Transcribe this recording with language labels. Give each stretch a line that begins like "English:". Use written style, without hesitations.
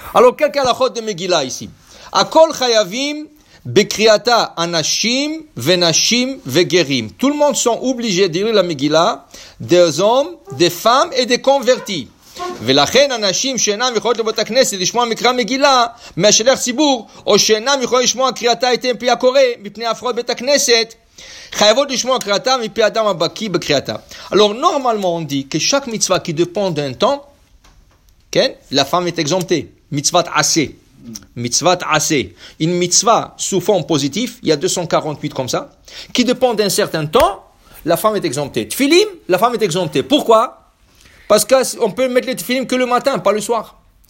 French: Alors, quelques halachot de Megillah ici.
Hebrew: Akol chayavim bekriata anashim venashim vegerim.
French: Tout le monde sont obligés de lire la Megillah, des hommes, des femmes et des convertis.
Hebrew: ולכן אנשים שאינם יכולים לבוא את הכנסת לשמוע מקרא מגילה מהשליח ציבור או שאינם יכולים לשמוע קריאתה איתם פי הקורא מפני הפרעות בית הכנסת חייבות לשמוע קריאתה מפי אדם הבקי בקריאתה.
French: Alors normalement on dit que chaque mitzvah qui dépend d'un temps,
Hebrew: כן?
French: La femme est exemptée. Mitzvah assez. Mitzvah assez. Une mitzvah sous forme positive, il y a 248 comme ça, qui dépend d'un certain temps, la femme est exemptée. Tfilim, la femme est exemptée. Pourquoi? Parce qu'on peut mettre les tefillim que le matin, pas le soir.